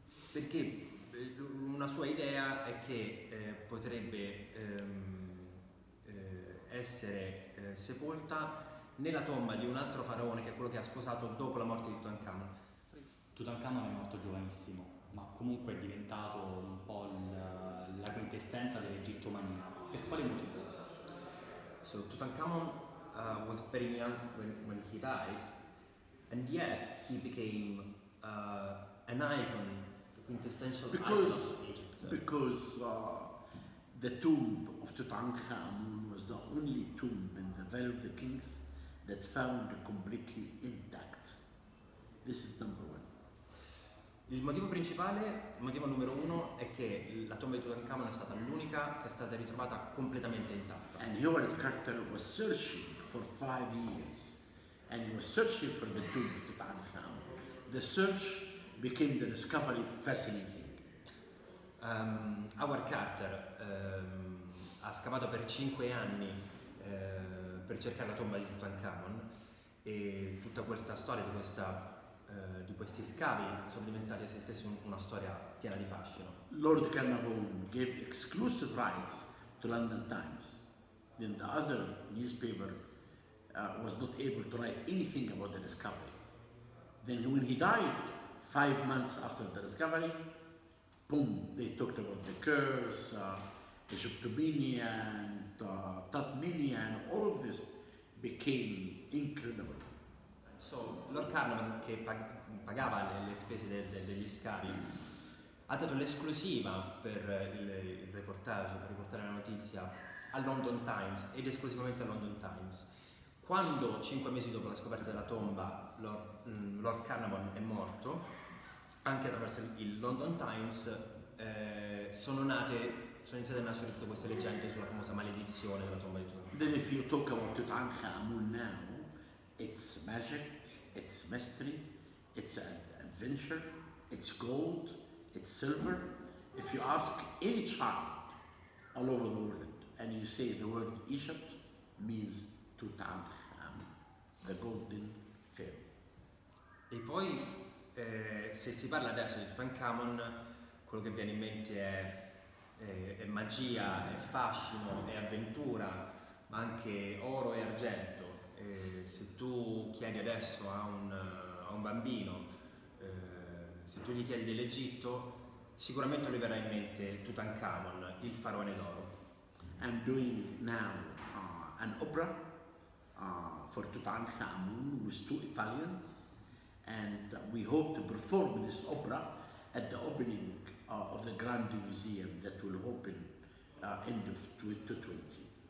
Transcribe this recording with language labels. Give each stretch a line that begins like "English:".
Italian: perché una sua idea è che potrebbe essere sepolta nella tomba di un altro faraone, che è quello che ha sposato dopo la morte di Tutankhamon. Tutankhamon è morto giovanissimo, ma comunque è diventato un po' la quintessenza dell'Egittomania. Per quale motivo?
English: So Tutankhamon was very young when he died, and yet he became an icon, the quintessential because, icon of Egypt. Because the tomb of Tutankhamon was the only tomb in the Valley of the Kings that found completely intact. This is number one.
Italian: Il motivo principale, il motivo numero uno, è che la tomba di Tutankhamon è stata l'unica che è stata ritrovata completamente intatta.
English: And Howard Carter was searching for 5 years, and he was searching for the tomb of Tutankhamon. The search became the discovery fascinating.
Italian: Howard Carter ha scavato per 5 anni per cercare la tomba di Tutankhamon, e tutta questa storia di questa di questi scavi sono diventati a se stessi una storia piena di fascino.
English: Lord Carnarvon gave exclusive rights to London Times. Then the other newspaper was not able to write anything about the discovery. Then when he died 5 months after the discovery, boom, they talked about the curse, the Egyptomania and Tutmania, and all of this became incredible.
Italian: So, Lord Carnarvon, che pagava le spese degli scavi, ha dato l'esclusiva per il reportage, per riportare la notizia, al London Times, ed esclusivamente al London Times. Quando, 5 mesi dopo la scoperta della tomba, Lord Carnarvon è morto, anche attraverso il London Times, sono iniziate a nascere tutte queste leggende sulla famosa maledizione della tomba di Tutankhamon.
English: Then if you talk about Tutankhamon now, it's magic, it's mystery, it's an adventure, it's gold, it's silver. If you ask any child all over the world and you say the word Egypt means Tutankhamun, the golden pharaoh.
Italian: E poi se si parla adesso di Tutankhamon, quello che viene in mente è magia, è fascino, è avventura, ma anche oro e argento. Se tu chiedi adesso a un bambino, se tu gli chiedi dell'Egitto, sicuramente gli verrà in mente Tutankhamon, il faraone d'oro.
English: I'm doing now an opera for Tutankhamon with 2 Italians, and we hope to perform this opera at the opening of the Grand Museum that will open end of 2020.